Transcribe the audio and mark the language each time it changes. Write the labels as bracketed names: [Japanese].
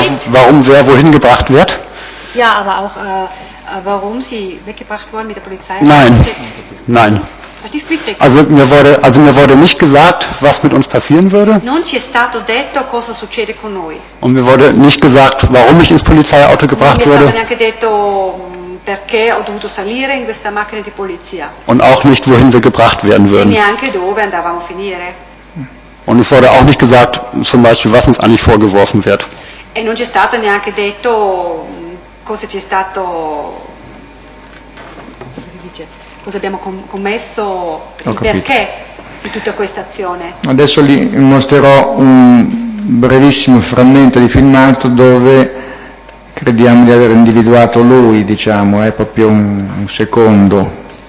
[German] Warum wer wohin gebracht wird? Ja, aber auch warum sie weggebracht worden mit der Polizei? Nein. Also mir wurde nicht gesagt, was mit uns passieren würde. [Italian] Non ci è stato detto cosa succede con noi. [German] Und mir wurde nicht gesagt, warum ich ins Polizeiauto gebracht wurde. [Italian] Non mi è stato neanche detto perché ho dovuto salire in questa macchina di polizia. [German] Und auch nicht, wohin wir gebracht werden würden. [Italian] Neanche dove andavamo a finire. [German] Und es wurde auch nicht gesagt, zum Beispiel, was uns eigentlich vorgeworfen wird. [Italian] E non ci è stato neanche detto cosa ci è stato, come si dice, cosa abbiamo commesso e perché di tutta questa azione. Adesso gli mostrerò un brevissimo frammento di filmato dove crediamo di aver individuato lui, diciamo, è proprio un secondo.